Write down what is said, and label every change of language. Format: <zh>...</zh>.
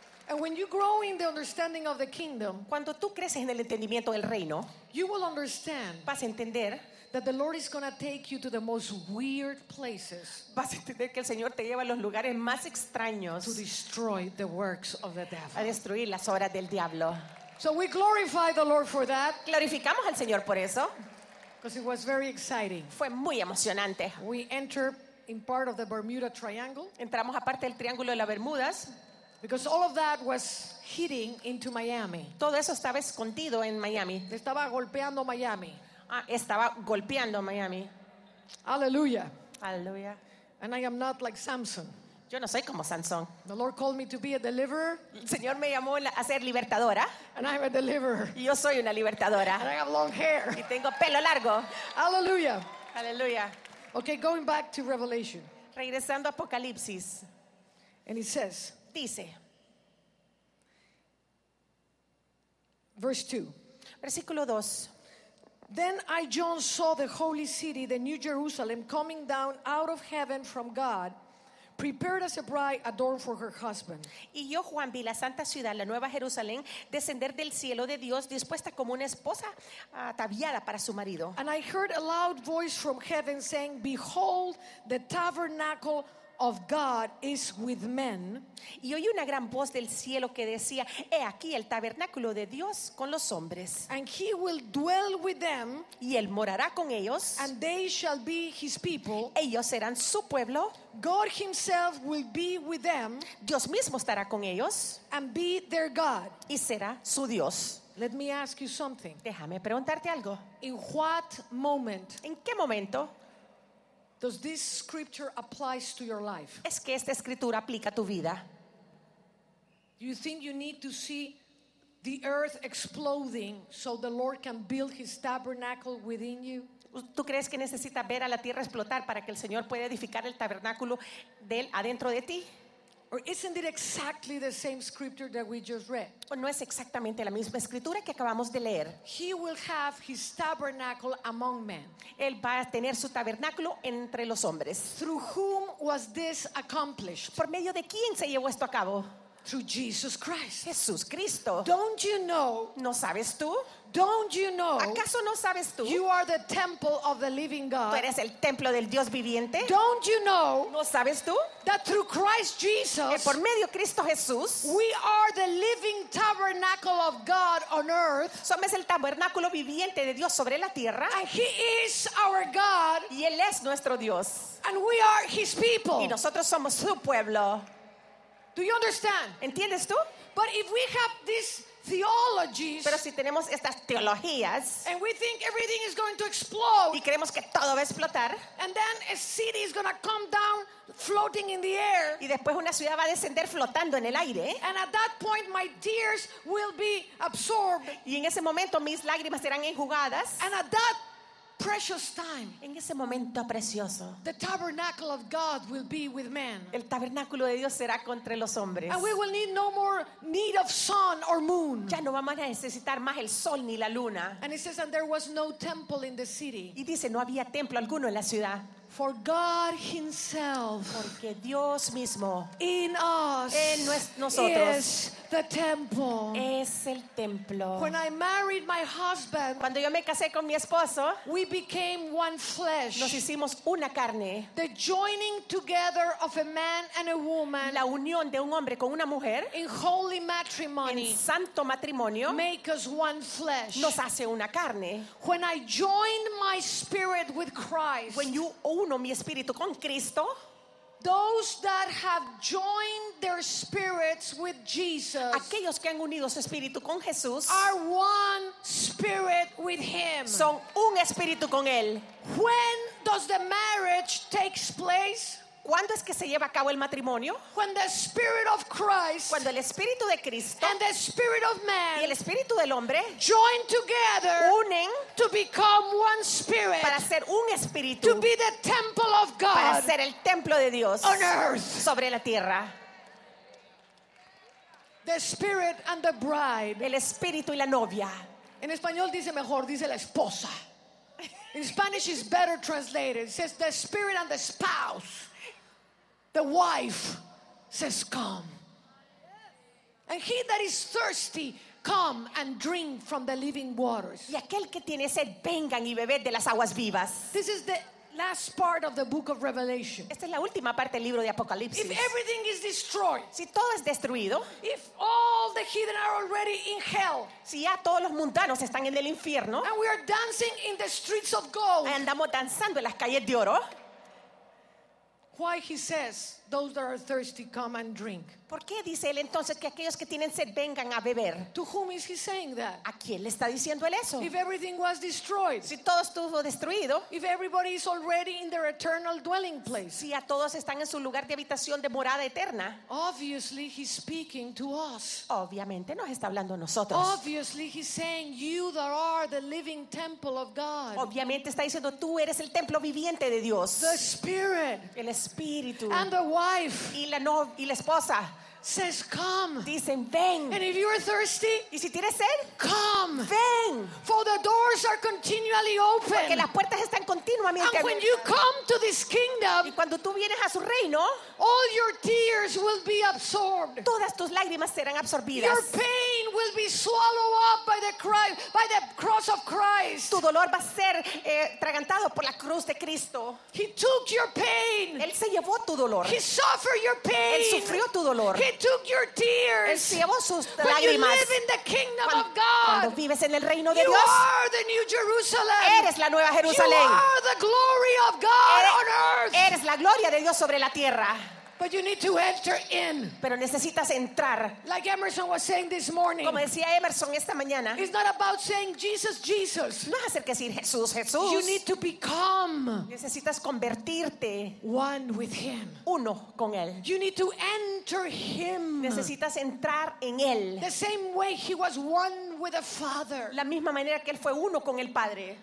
<en>And when you grow in the understanding of the kingdom,</en> <es>cuando tú creces en el entendimiento del reino,</es> <en>you will understand.</en> <es>Vas a entender</es> <en>that the Lord is going to take you to the most weird places.</en> <es>Vas a entender que el Señor te lleva a los lugares más extraños.</es> <en>To destroy the works of the devil.</en> <es>A destruir las obras del diablo.</es> <en>So we glorify the Lord for that.</en> <es>Glorificamos al Señor por eso.</es> <en>Because it was very exciting.</en> <es>Fue muy emocionante.</es> <en>We enter in part of the Bermuda Triangle.</en> <es>Entramos a parte del triángulo de las Bermudas.</es> <en>Because all of that was hitting into Miami.</en> <es>Todo eso estaba escondido en Miami. Estaba golpeando Miami. Estaba golpeando Miami.</es> <en>Hallelujah. Hallelujah. And I am not like Samson.</en> <es>Yo no soy como Sansón.</es> <en>The Lord called me to be a deliverer.</en> <es>El Señor me llamó a ser libertadora.</es> <en>And I'm a deliverer.</en> <es>Y yo soy una libertadora.</es> <en>And I have long hair.</en> <es>Y tengo pelo largo.</es> <en>Hallelujah. Hallelujah. Okay, going back to Revelation.</en> <es>Regresando a Apocalipsis.</es> <en>And it says.</en> <es>Dice.</es> <en>Verse 2.</en> <es>Versículo 2.</es> <en>Then I, John, saw the holy city, the new Jerusalem, coming down out of heaven from God, prepared as a bride adorned for her husband.</en> <es>Y yo, Juan, vi la santa ciudad, la nueva Jerusalén, descender del cielo de Dios, dispuesta como una esposa ataviada para su marido.</es> <en>And I heard a loud voice from heaven saying, behold, the tabernacle of God is with men.</en> <es>Y oí una gran voz del cielo que decía, he aquí el tabernáculo de Dios con los hombres.</es> <en>And he will dwell with them.</en> <es>Y él morará con ellos.</es> <en>And they shall be his people.</en> <es>Ellos serán su pueblo.</es> <en>God himself will be with them.</en> <es>Dios mismo estará con ellos.</es> <en>And be their God.</en> <es>Y será su Dios.</es> <en>Let me ask you something.</en> <es>Déjame preguntarte algo.</es> <en>In what moment?</en> <es>¿En qué momento?</es> <en>Does this scripture apply to your life?</en> <es>¿Es que esta escritura aplica a tu vida?</es> <en>Do you think you need to see the earth exploding so the Lord can build his tabernacle within you?</en> <es>¿Tú crees que necesitas ver a la tierra explotar para que el Señor pueda edificar el tabernáculo de él adentro de ti?</es> <en>Or isn't it exactly the same scripture that we just read?</en> <es>¿O no es exactamente la misma escritura que acabamos de leer?</es> <en>He will have his tabernacle among men.</en> <es>Él va a tener su tabernáculo entre los hombres.</es> <en>Through whom was this accomplished?</en> <es>¿Por medio de quién se llevó esto a cabo?</es> <en>Through Jesus Christ.</en> <es>Jesús Cristo.</es> <en>Don't you know?</en> <es>¿No sabes tú?</es> <en>Don't you know?</en> <es>¿Acaso no sabes tú?</es> <en>You are the temple of the living God.</en> <es>¿Tú eres el templo del Dios viviente?</es> <en>Don't you know?</en> <es>¿No sabes tú?</es> <en>That through Christ Jesus.</en> <es>Por medio Cristo Jesús.</es> <en>We are the living tabernacle of God on earth.</en> <es>Somos el tabernáculo viviente de Dios sobre la tierra.</es> <en>And he is our God.</en> <es>Y él es nuestro Dios.</es> <en>And we are his people.</en> <es>Y nosotros somos su pueblo.</es> <en>Do you understand?</en> <es>¿Entiendes tú?</es> <en>But if we have this theology,</en> <es>pero si tenemos estas teologías,</es> <en>and we think everything is going to explode,</en> <es>y creemos que todo va a explotar,</es> <en>and then a city is going to come down floating in the air,</en> <es>y después una ciudad va a descender flotando en el aire,</es> <en>and at that point my tears will be absorbed,</en> <es>y en ese momento mis lágrimas serán enjugadas,</es> <en>and at that precious time.</en> <es>En ese momento precioso.</es> <en>The tabernacle of God will be with men.</en> <es>El tabernáculo de Dios será contra los hombres.</es> <en>And we will need no more need of sun or moon.</en> <es>Ya no vamos a necesitar más el sol ni la luna.</es> <en>And it says, and there was no temple in the city.</en> <es>Y dice, no había templo alguno en la ciudad.</es> <en>For God himself.</en> <es>Porque Dios mismo.</es> <en>In us.</en> <es>En nosotros.</es> <en>Is the temple.</en> <es>Es el templo.</es> <en>When I married my husband.</en> <es>Cuando yo me casé con mi esposo.</es> <en>We became one flesh.</en> <es>Nos hicimos una carne.</es> <en>The joining together of a man and a woman.</en> <es>La unión de un hombre con una mujer.</es> <en>In holy matrimony.</en> <es>En santo matrimonio.</es> <en>Make us one flesh.</en> <es>Nos hace una carne.</es> <en>When I joined my spirit with Christ. When you</en> <es>uno mi espíritu con Cristo.</es> <en>Those that have joined their spirits with Jesus.</en> <es>Aquellos que han unido su espíritu con Jesús.</es> <en>Are one spirit with him.</en> <es>Son un espíritu con él.</es> <en>When does the marriage takes place?</en> <es>¿Cuándo es que se lleva a cabo el matrimonio?</es> <en>When the spirit of Christ.</en> <es>Cuando el espíritu de Cristo.</es> <en>And the spirit of man.</en> <es>Y el espíritu del hombre.</es> <en>Join together.</en> <es>Unen.</es> <en>To become one spirit.</en> <es>Para ser un espíritu.</es> <en>To be the temple of God.</en> <es>Para ser el templo de Dios.</es> <en>On earth.</en> <es>Sobre la tierra.</es> <en>The spirit and the bride.</en> <es>El espíritu y la novia. En español dice mejor, dice la esposa.</es> <en>In Spanish is better translated. It says the spirit and the spouse. The wife says, come. And he that is thirsty, come and drink from the living waters.</en> <es>Y aquel que tiene sed, vengan y bebed de las aguas vivas.</es> <en>This is the last part of the book of Revelation.</en> <es>Esta es la última parte del libro de Apocalipsis.</es> <en>If everything is destroyed,</en> <es>si todo es destruido,</es> <en>if all the heathen are already in hell,</en> <es>si ya todos los mundanos están en el infierno,</es> <en>and we are dancing in the streets of gold,</en> <es>andamos danzando en las calles de oro,</es> <en>why he says those that are thirsty come and drink.</en> <es>¿Por qué dice él entonces que aquellos que tienen sed vengan a beber?</es> <en>To whom is he saying that?</en> <es>¿A quién le está diciendo él eso?</es> <en>If everything was destroyed.</en> <es>Si todo estuvo destruido.</es> <en>If everybody is already in their eternal dwelling place.</en> <es>Si a todos están en su lugar de habitación de morada eterna.</es> <en>Obviously he's speaking to us.</en> <es>Obviamente nos está hablando a nosotros.</es> <en>Obviously he's saying you that are the living temple of God.</en> <es>Obviamente está diciendo tú eres el templo viviente de Dios.</es> <en>The Spirit.</en> <es>El Espíritu.</es> <en>And the wife.</en> <es>Y la novia y la esposa.</es> <en>Says come.</en> <es>Dicen ven.</es> <en>And if you are thirsty,</en> <es>y si tienes sed,</es> <en>come.</en> <es>Ven.</es> <en>For the doors are continually open.</en> <es>Porque las puertas están continuamente.</es> <en>And when you come to this kingdom,</en> <es>y cuando tú vienes a su reino,</es> <en>all your tears will be absorbed.</en> <es>Todas tus lágrimas serán absorbidas.</es> <en>Your pain will be swallowed up by the cross of Christ.</en> <es>Tu dolor va a ser tragantado por la cruz de Cristo.</es> <en>He took your pain.</en> <es>Él se llevó tu dolor.</es> <en>He suffered your pain.</en> <es>Él sufrió tu dolor.</es> <en>He took your tears.</en> <es>Él llevó sus lágrimas.</es> <en>You live in the kingdom of God.</en> <es>Cuando vives en el reino de</es> <en>you</en> <es>Dios.</es> <en>You are the new Jerusalem.</en> <es>Eres la nueva Jerusalén.</es> <en>You are the glory of God on earth.</en> <es>Eres la gloria de Dios sobre la tierra.</es> <en>But you need to enter in.</en> <es>Pero necesitas entrar.</es> <en>Like Emerson was saying this morning.</en> <es>Como decía Emerson esta mañana.</es> <en>It's not about saying Jesus, Jesus.</en> <es>No es acerca de decir Jesús, Jesús.</es> <en>You need to become.</en> <es>Necesitas convertirte.</es> <en>One with him.</en> <es>Uno con él.</es> <en>You need to enter him.</en> <es>Necesitas entrar en él.</es> <en>The same way he was one with the Father.</en> <es>La misma manera que él fue uno con el Padre.</es>